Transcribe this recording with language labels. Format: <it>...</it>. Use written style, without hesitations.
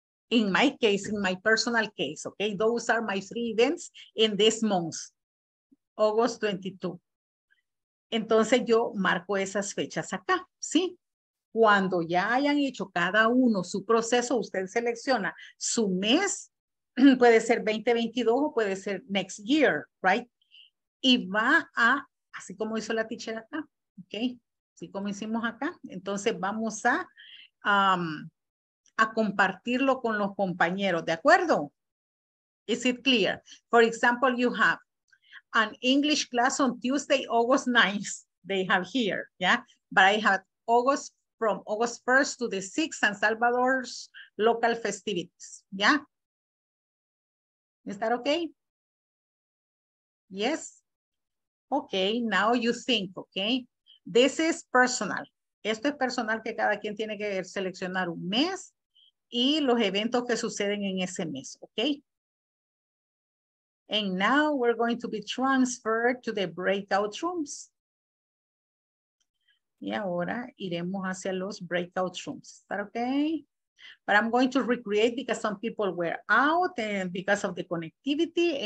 <en>In my case, in my personal case, okay, those are my three events in this month, August 22.</en> <es>Entonces yo marco esas fechas acá, ¿sí? Cuando ya hayan hecho cada uno su proceso, usted selecciona su mes, puede ser 2022 o puede ser</es> <en>next year, right?</en> <es>Y va a, así como hizo la teacher acá, ok, así como hicimos acá, entonces vamos a compartirlo con los compañeros, ¿de acuerdo?</es> <en>Is it clear? For example, you have an English class on Tuesday, August 9th, they have here, yeah? But I have August, from August 1st to the 6th, San Salvador's local festivities, yeah? Is that okay? Yes? Okay, now you think, okay? This is personal.</en> <es>Esto es personal, que cada quien tiene que seleccionar un mes y los eventos que suceden en ese mes, okay?</es> <en>And now we're going to be transferred to the breakout rooms.</en> <es>Y ahora iremos hacia los breakout rooms.</es> <en>Is that okay? But I'm going to recreate because some people were out and because of the connectivity.</en>